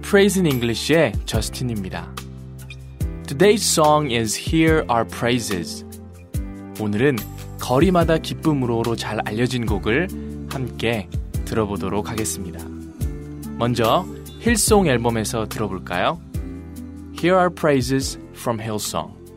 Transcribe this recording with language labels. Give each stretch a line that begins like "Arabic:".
English: Praise in English
Korean: 의 저스틴입니다.
English: Today's song is Here Are Praises.
Korean: 오늘은 거리마다 기쁨으로로 잘 알려진 곡을 함께 들어보도록 하겠습니다. 먼저 힐송 앨범에서 들어볼까요?
English: Here Are Praises from Hillsong.